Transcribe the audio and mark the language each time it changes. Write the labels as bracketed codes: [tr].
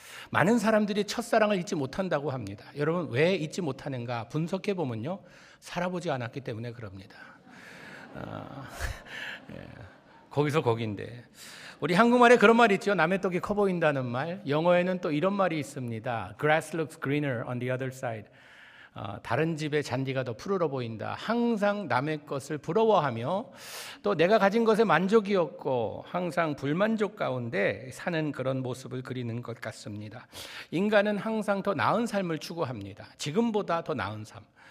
[ko] 많은 사람들이 첫사랑을 잊지 못한다고 합니다. 여러분, 왜 잊지 못하는가 분석해 보면요, 살아보지 않았기 때문에 그럽니다. 거기서 거긴데, 우리 한국말에 그런 말 있죠. 남의 떡이 커 보인다는 말. 영어에는 또 이런 말이 있습니다. [en] Grass looks greener on the other side. [ko] 다른 집의 잔디가 더 푸르러 보인다. 항상 남의 것을 부러워하며 또 내가 가진 것에 만족이 없고 항상 불만족 가운데 사는 그런 모습을 그리는 것 같습니다. 인간은 항상 더 나은 삶을 추구합니다. 지금보다 더 나은 삶.